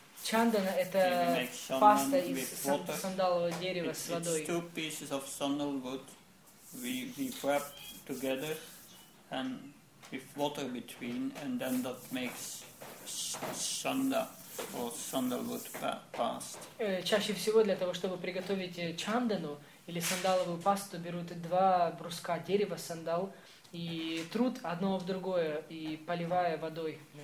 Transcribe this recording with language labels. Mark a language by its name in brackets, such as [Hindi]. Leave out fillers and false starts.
[Russian] Чандана – это паста из сандалового дерева с водой. [English] It's 2 pieces of sandalwood we wrap together and with water between, and then that makes chanda or sandalwood paste. [Russian] Чаще всего для того, чтобы приготовить чандану или сандаловую пасту, берут 2 бруска дерева сандал и труд одно в другое и поливая водой.